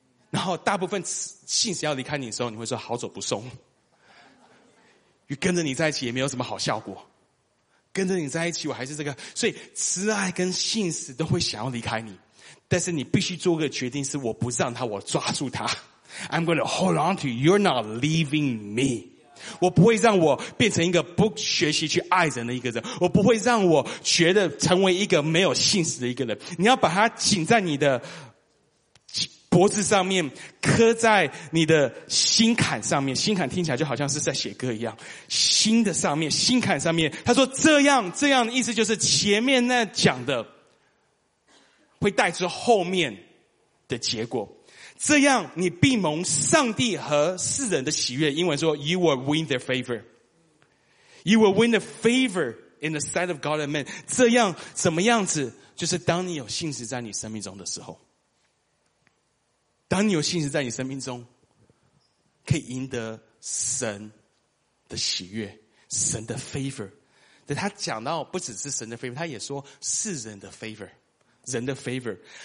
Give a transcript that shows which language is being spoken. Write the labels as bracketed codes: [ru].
[zh] 然后大部分信实要离开你的时候，你会说好走不送，跟着你在一起也没有什么好效果，跟着你在一起我还是这个。所以慈爱跟信实都会想要离开你，但是你必须做个决定，是我不让他，我抓住他。 [en] I'm going to hold on to you, you're not leaving me. [zh] 我不会让我变成一个不学习去爱人的一个人，我不会让我觉得成为一个没有信实的一个人。你要把他紧在你的脖子上面，刻在你的心坎上面。心坎听起来就好像是在写歌一样，心的上面，心坎上面。他说这样，这样的意思就是前面那讲的会带出后面的结果。这样你必蒙上帝和世人的喜悦。英文说 [en] You will win their favor. You will win the favor in the sight of God and men. [zh] 这样怎么样子，就是当你有信实在你生命中的时候，当你有信实在你生命中，可以赢得神的喜悦，神的 favor。但他讲到不只是神的 favor， 他也说是人的 favor， 人的 favor。